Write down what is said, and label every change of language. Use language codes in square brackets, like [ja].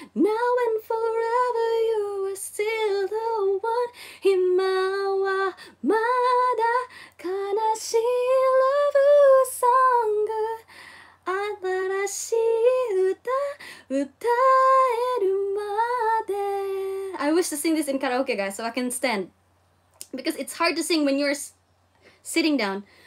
[en] Now and forever you are still the one. [ja] 今はまだ悲しいラブソング、新しい歌歌えるまで。 [en] I wish to sing this in karaoke, guys, so I can stand, because it's hard to sing when you're sitting down.